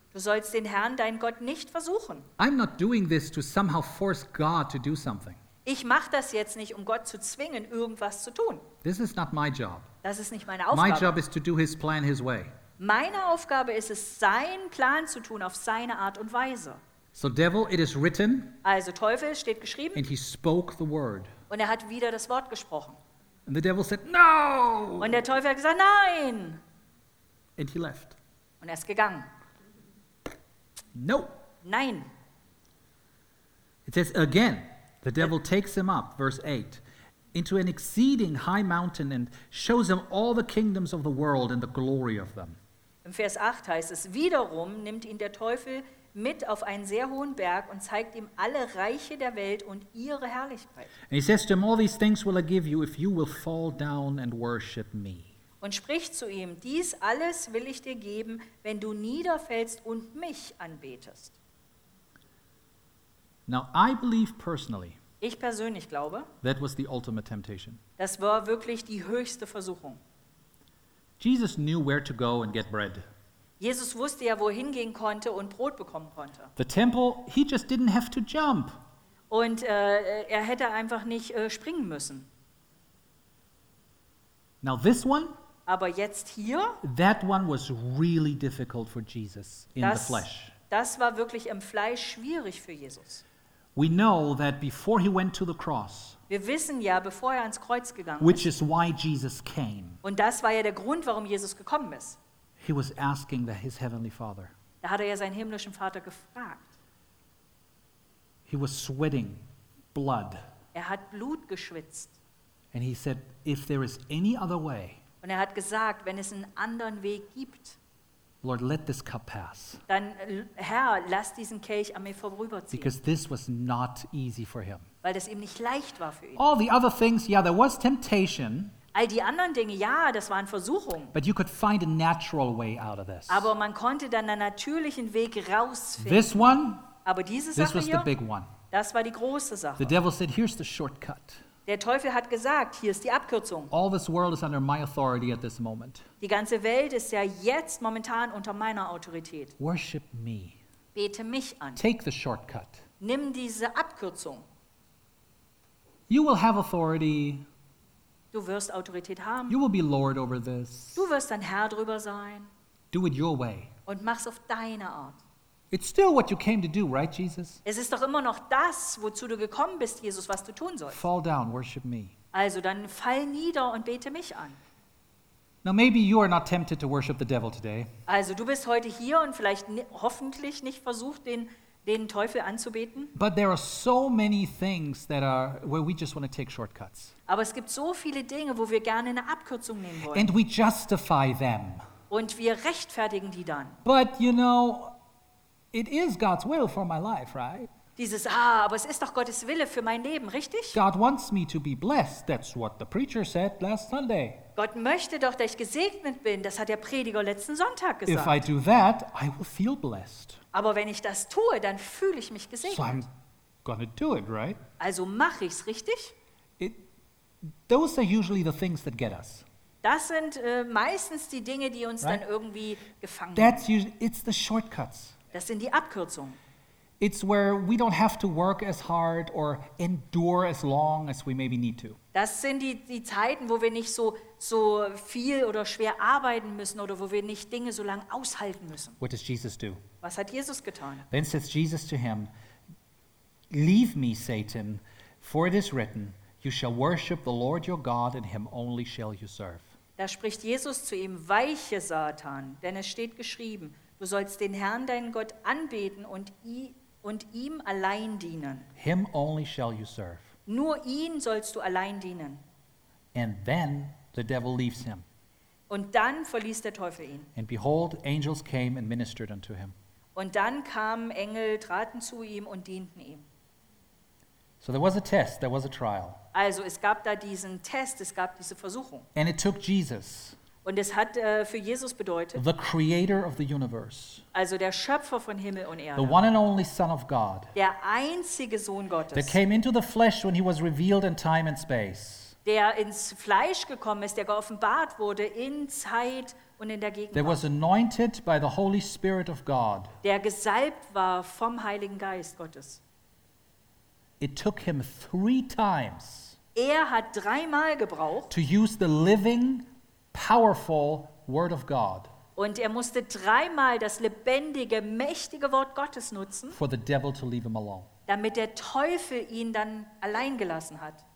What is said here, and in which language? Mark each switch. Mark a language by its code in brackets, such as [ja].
[de] Du sollst den Herrn, deinen Gott, nicht versuchen. [en] I'm not doing this to somehow force God to do something. [de] Ich mache das jetzt nicht, um Gott zu zwingen, irgendwas zu tun. [en] This is not my job. [de] Das ist nicht meine Aufgabe. [en] My job is to do his plan his way. [de] Meine Aufgabe ist es, seinen Plan zu tun auf seine Art und Weise. [en] So devil, it is written. [de] Also Teufel, steht geschrieben. [en] And he spoke the word. [de] Und er hat wieder das Wort gesprochen. [en] And the devil said, no! [de] Und der Teufel hat gesagt, nein! [en] And he left. [de] Und er ist gegangen. [en] No! [de] Nein! [en] It says again, the devil takes him up, verse 8, into an exceeding high mountain and shows him all the kingdoms of the world and the glory of them. [de] In Vers 8 heißt es, wiederum nimmt ihn der Teufel mit auf einen sehr hohen Berg und zeigt ihm alle Reiche der Welt und ihre Herrlichkeit. [en] And he says to him, all these things will I give you if you will fall down and worship me. [de] Und spricht zu ihm, dies alles will ich dir geben, wenn du niederfällst und mich anbetest. [en] Now I believe personally, [de] ich persönlich glaube, [en] that was the ultimate temptation. [de] Das war wirklich die höchste Versuchung. [en] Jesus knew where to go and get bread. [de] Jesus wusste ja, wohin gehen konnte und Brot bekommen konnte. [en] The temple, he just didn't have to jump. [de] Und er hätte einfach nicht springen müssen. [en] Now this one, [de] aber jetzt hier, [en] that one was really difficult for Jesus in the flesh. [de] Das war wirklich im Fleisch schwierig für Jesus. [en] We know that before he went to the cross, [de] wir wissen ja, bevor er ans Kreuz gegangen [en] which [de] ist, [en] is why Jesus came, [de] und das war ja der Grund, warum Jesus gekommen ist, [en] he was asking that his heavenly Father, [de] da hat er ja seinen himmlischen Vater gefragt. [en] He was sweating blood. [de] Er hat Blut geschwitzt. [en] And he said, if there is any other way, [de] und er hat gesagt, wenn es einen anderen Weg gibt, [en] Lord, let this cup pass. [de] Dann, Herr, lass diesen Kelch an mir vorüberziehen. [en] Because this was not easy for him. [de] Weil das ihm nicht leicht war für ihn. [en] All the other things, yeah, there was temptation. [de] All die anderen Dinge, ja, das waren Versuchungen. [en] But you could find a natural way out of this. [de] Aber man konnte dann einen natürlichen Weg rausfinden. [en] This one, [de] aber diese [en] this [de] Sache [en] was [de] hier, [en] the big one. [de] Das war die große Sache. [en] The devil said, here's the shortcut. [de] Der Teufel hat gesagt, hier ist die Abkürzung. [en] All this world is under my authority at this moment. [de] Die ganze Welt ist ja jetzt momentan unter meiner Autorität. [en] Worship me. [de] Bete mich an. [en] Take the shortcut. [de] Nimm diese Abkürzung. [en] You will have authority. [de] Du wirst Autorität haben. [en] You will be Lord over this. [de] Du wirst ein Herr drüber sein. [en] Do it your way. [de] Und mach's auf deine Art. [en] It's still what you came to do, right, Jesus? [de] Es ist doch immer noch das, wozu du gekommen bist, Jesus, was du tun sollst. [en] Fall down, worship me. [de] Also dann fall nieder und bete mich an. [en] Now maybe you are not tempted to worship the devil today. [de] Also du bist heute hier und vielleicht hoffentlich nicht versucht, den Teufel anzubeten. [en] But there are so many things that are where we just want to take shortcuts. [de] Aber es gibt so viele Dinge, wo wir gerne eine Abkürzung nehmen wollen. [en] And we justify them. [de] Und wir rechtfertigen die dann. [en] But you know, it is God's will for my life, right? [de] Dieses aber es ist doch Gottes Wille für mein Leben, richtig? [en] God wants me to be blessed. That's what the preacher said last Sunday. [de] Gott möchte doch, dass ich gesegnet bin. Das hat der Prediger letzten Sonntag gesagt. [en] If I do that, I will feel blessed. [de] Aber wenn ich das tue, dann fühle ich mich gesegnet. [en] So I'm gonna do it, right? [de] Also mache ich's, richtig? [en] Those are usually the things that get us. [de] Das sind meistens die Dinge, die uns [en] right? [de] dann irgendwie gefangen. [en] That's usually, it's the shortcuts. [de] Das sind die Abkürzungen. [en] It's where we don't have to work as hard or endure as long as we maybe need to. [de] Das sind die Zeiten, wo wir nicht so viel oder schwer arbeiten müssen oder wo wir nicht Dinge so lange aushalten müssen. [en] What does Jesus do? [de] Was hat Jesus getan? [en] Then says Jesus to him, "Leave me, Satan, for it is written, you shall worship the Lord your God and him only shall you serve." [de] Da spricht Jesus zu ihm, "Weiche, Satan, denn es steht geschrieben, du sollst den Herrn, deinen Gott, anbeten und ihm allein dienen. [en] Him only shall you serve. [de] Nur ihn sollst du allein dienen. [en] And then the devil leaves him. [de] Und dann verließ der Teufel ihn. [en] And behold, angels came and ministered unto him. [de] Und dann kamen Engel, traten zu ihm und dienten ihm. [en] So there was a test, there was a trial. [de] Also es gab da diesen Test, es gab diese Versuchung. [en] And it took Jesus. [de] Und es hat für Jesus bedeutet, [en] the creator of the universe, [de] also der Schöpfer von Himmel und Erde, [en] the one and only Son of God, [de] der einzige Sohn Gottes, [en] that came into the flesh when he was revealed in time and space, [de] der ins Fleisch gekommen ist, der geoffenbart wurde in Zeit und in der Gegenwart, [en] that was anointed by the Holy Spirit of God, [de] der gesalbt war vom Heiligen Geist Gottes. [en] It took him three times, [de] er hat dreimal gebraucht, [en] to use the living powerful word of God. [de] Und er musste dreimal das lebendige, mächtige Wort Gottes nutzen. [en] For the devil to leave him alone. [de] Damit der Teufel ihn dann allein gelassen hat.